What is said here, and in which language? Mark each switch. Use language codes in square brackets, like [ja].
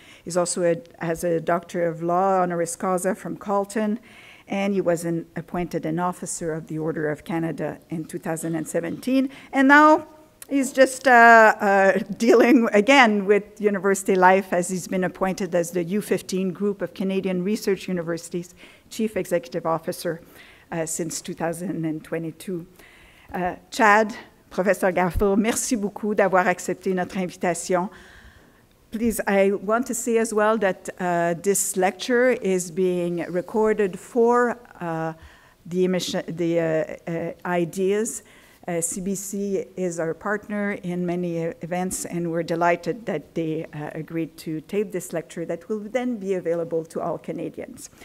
[en] He's also has a Doctor of Law honoris causa from Carleton, and he was appointed an officer of the Order of Canada in 2017. And now he's just dealing again with university life as he's been appointed as the U15 Group of Canadian Research Universities Chief Executive Officer since 2022. [fr] Chad, Professor Gaffield, merci beaucoup d'avoir accepté notre invitation. [en] Please, I want to say as well that this lecture is being recorded for the ideas. CBC is our partner in many events, and we're delighted that they agreed to tape this lecture that will then be available to all Canadians.